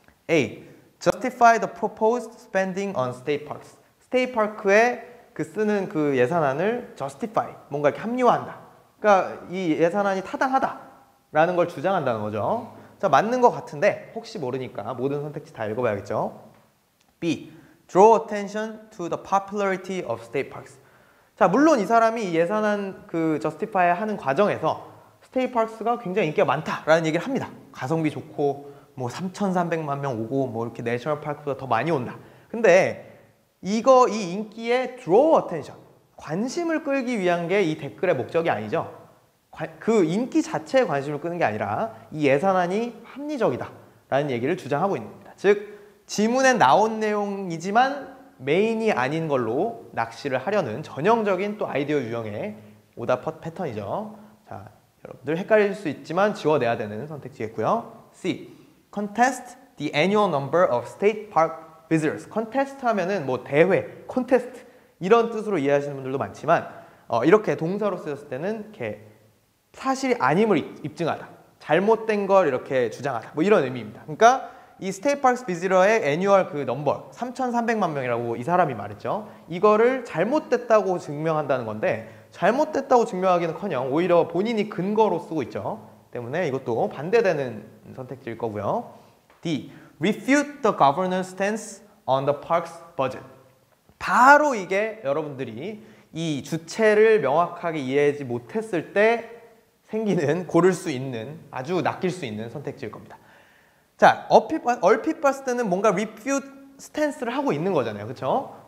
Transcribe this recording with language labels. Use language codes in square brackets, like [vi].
[en] A. Justify the proposed spending on state parks. [ko] 스테이 파크에 그 쓰는 그 예산안을 justify, 뭔가 이렇게 합리화한다. 그러니까 이 예산안이 타당하다. 라는 걸 주장한다는 거죠. 자, 맞는 것 같은데 혹시 모르니까 모든 선택지 다 읽어봐야겠죠. B. [en] Draw attention to the popularity of state parks. [ko] 자, 물론 이 사람이 예산안 그 justify 하는 과정에서 스테이 파크가 굉장히 인기가 많다라는 얘기를 합니다. 가성비 좋고 뭐 3,300만 명 오고 뭐 이렇게 내셔널 파크보다 더 많이 온다. 근데 이거 이 인기에 draw attention, 관심을 끌기 위한 게 이 댓글의 목적이 아니죠. 그 인기 자체에 관심을 끄는 게 아니라 이 예산안이 합리적이다 라는 얘기를 주장하고 있는 겁니다. 즉 지문에 나온 내용이지만 메인이 아닌 걸로 낚시를 하려는 전형적인 또 아이디어 유형의 오답 패턴이죠. 자, 여러분들 헷갈릴 수 있지만 지워내야 되는 선택지겠고요. C. [en] Contest the annual number of state park visitors. [ko] Contest 하면은 뭐 대회, 콘테스트 이런 뜻으로 이해하시는 분들도 많지만 이렇게 동사로 쓰였을 때는 이렇게 사실이 아님을 입증하다. 잘못된 걸 이렇게 주장하다. 뭐 이런 의미입니다. 그러니까 이 스테이 파크스 비지러의 애뉴얼 그 넘버 3,300만 명이라고 이 사람이 말했죠. 이거를 잘못됐다고 증명한다는 건데 잘못됐다고 증명하기는 커녕 오히려 본인이 근거로 쓰고 있죠. 때문에 이것도 반대되는 선택지일 거고요. D. [en] Refute the governor's stance on the park's budget. [ko] 바로 이게 여러분들이 이 주체를 명확하게 이해하지 못했을 때 생기는 고를 수 있는 아주 낚일 수 있는 선택지일 겁니다. 자, 얼핏 봤을 때는 뭔가 refute stance를 하고 있는 거잖아요. 그렇죠?